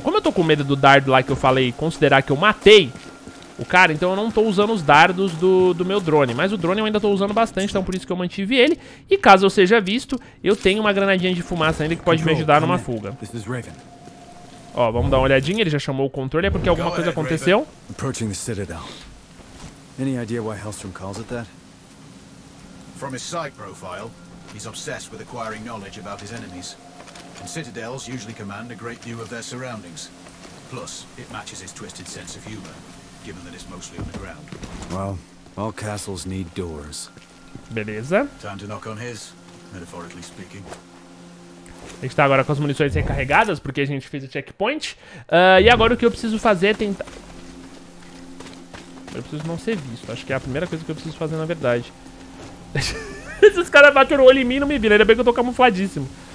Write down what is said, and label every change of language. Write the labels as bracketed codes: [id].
[pt] Como eu tô com medo do dardo lá que eu falei, considerar que eu matei o cara, então eu não tô usando os dardos do meu drone. Mas o drone eu ainda tô usando bastante, então por isso que eu mantive ele. E caso eu seja visto, eu tenho uma granadinha de fumaça ainda que pode me ajudar numa fuga. Ó, vamos dar uma olhadinha, ele já chamou o controle, é porque alguma coisa aconteceu. [en] Approaching the Citadel. Any idea why Hallström calls it that? From his psych profile, he's obsessed with acquiring knowledge about his enemies. And citadels usually command a great view of their surroundings. Plus, it matches his twisted sense of humor. Given that it's mostly underground. Well, all castles need doors. [pt] Beleza. [en] Time to knock on his, metaphorically speaking. [pt] A gente tá agora com as munições recarregadas, porque a gente fez o checkpoint. E agora o que eu preciso fazer é tentar... Eu preciso não ser visto. Acho que é a primeira coisa que eu preciso fazer, na verdade. Esses caras bateram o olho em mim e não me viram. Ainda bem que eu tô camufladíssimo.